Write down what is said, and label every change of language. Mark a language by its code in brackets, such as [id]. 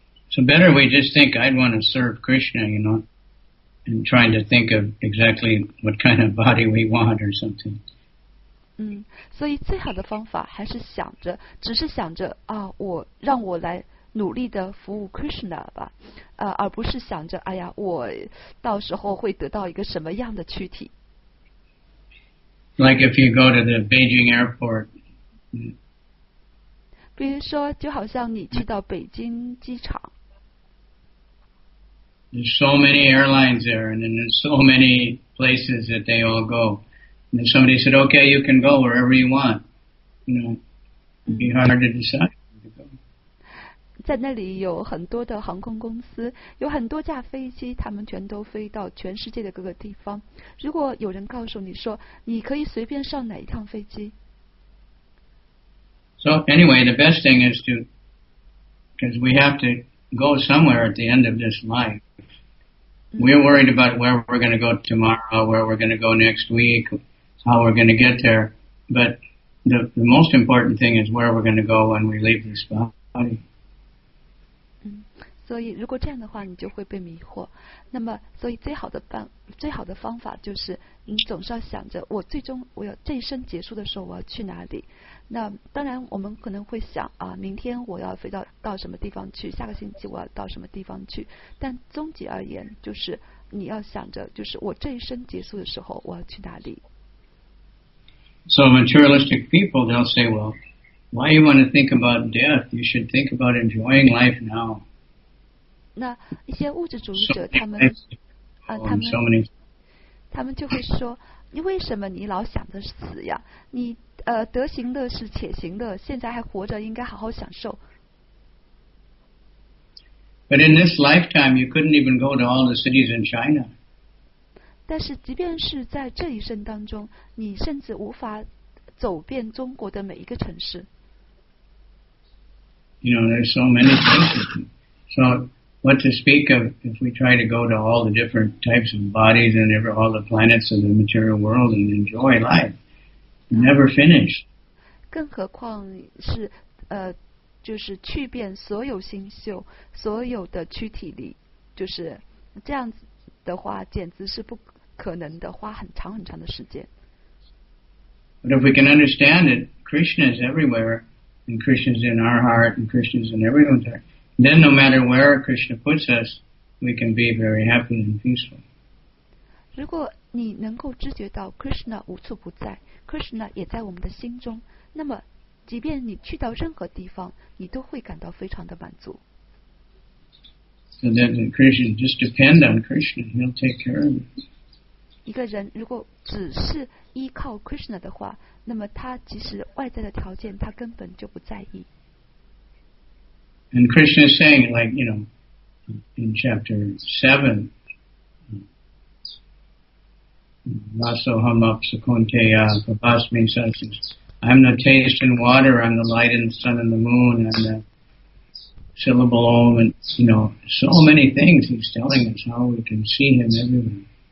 [en] So better we just think I'd want to serve Krishna, you know, and trying to think of exactly what kind of body we want or something. [zh] 所以最好的方法还是想着，只是想着啊，我让我来努力的服务 Krishna 吧，而不是想着，哎呀，我到时候会得到一个什么样的躯体。 [en] Like if you go to the Beijing airport. [zh] 比如说，就好像你去到北京机场。 [en] There's so many airlines there, and then there's so many places that they all go. And if somebody said, okay, you can go wherever you want, you know, it'd be hard to decide. [zh] 在那里有很多的航空公司，有很多架飞机，他们全都飞到全世界的各个地方。如果有人告诉你说，你可以随便上哪一趟飞机。 [en] So anyway, the best thing is to, because we have to go somewhere at the end of this life. We're worried about where we're going to go tomorrow, where we're going to go next week, how we're going to get there. But the most important thing is where we're going to go when we leave this body. [zh] 所以如果这样的话，你就会被迷惑。那么，所以最好的方法就是，你总是要想着我最终我要这一生结束的时候我要去哪里。那当然，我们可能会想啊，明天我要飞到什么地方去，下个星期我要到什么地方去。但总体而言，就是你要想着，就是我这一生结束的时候我要去哪里。 [en] So materialistic people, they'll say, "Well, why you want to think about death? You should think about enjoying life now." [zh] 那一些物质主义者，他们就会说。你为什么你老想着死呀？你得行乐是且行乐，现在还活着，应该好好享受。 [en] But in this lifetime, you couldn't even go to all the cities in China. [zh] 但是，即便是在这一生当中，你甚至无法走遍中国的每一个城市。 [en] You know, there's so many places. So, what to speak of if we try to go to all the different types of bodies and all the planets of the material world and enjoy life? Never finish. [zh] 更何况是就是去遍所有星宿，所有的躯体里，就是这样子的话，简直是不可能的，花很长很长的时间。 [en] But if we can understand that Krishna is everywhere, and Krishna is in our heart, and Krishna is in everyone's heart, then no matter where Krishna puts us, we can be very happy and peaceful. [zh] 如果你能够知觉到 Krishna 无处不在。 Krishna 也在我们的心中，那么即便你去到任何地方，你都会感到非常的满足。 [en] So then Krishna, just depend on Krishna, he'll take care of you. [zh] 一个人如果只是依靠 Krishna 的话，那么他即使外在的条件，他根本就不在意。 [en] And Krishna is saying, like, you know, in chapter 7,I'm the taste in water, I'm the light in the sun and the moon, I'm the syllable om, and you know, so many things he's telling us how we can see him everywhere.